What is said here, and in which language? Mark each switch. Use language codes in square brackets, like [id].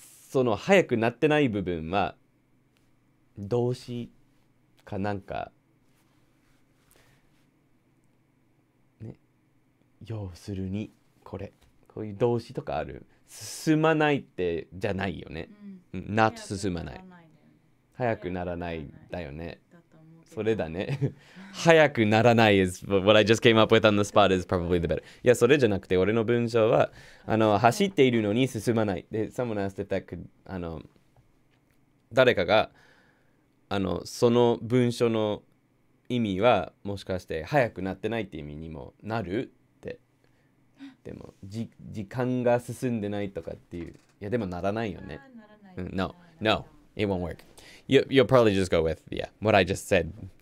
[ja] その早くなってない部分は動詞かなんか、ね、要するにこれこういう動詞とかある。進まないってじゃないよね、うん、なっと進まない、早くならないだよね、それだね。早くならない [en] is what I just came up with on the spot is probably the better. [ja] いやそれじゃなくて俺の文章は走っているのに進まないで、 [en] someone asked if that could [ja] 誰かがその文章の意味はもしかして早くなってないって意味にもなるって。でも時間が進んでないとかっていう、いやでもならないよね。ならない、 [en] うん、No, no, it won't work. You'll probably just go with yeah what I just said.